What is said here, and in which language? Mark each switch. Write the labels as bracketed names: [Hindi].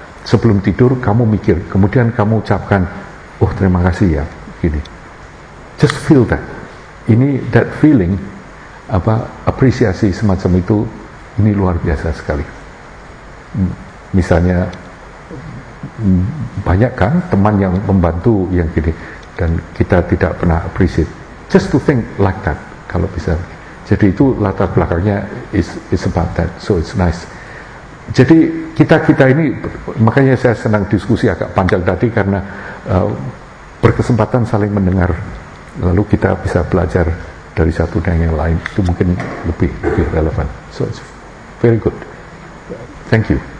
[Indonesian] Sebelum tidur kamu mikir, kemudian kamu ucapkan, oh terima kasih ya, gini. [English] Just feel that. [Indonesian] Ini [English] that feeling, [Indonesian] apa apresiasi semacam itu, ini luar biasa sekali. Misalnya banyak kan teman yang membantu yang gini, dan kita tidak pernah appreciate. [English] Just to think like that, [Indonesian] kalau bisa. Jadi itu latar belakangnya [English] is about that, so it's nice. [Indonesian] Jadi kita-kita ini, makanya saya senang diskusi agak panjang tadi, karena berkesempatan saling mendengar, lalu kita bisa belajar dari satu dengan yang lain, itu mungkin lebih relevan. [English] So it's very good. Thank you.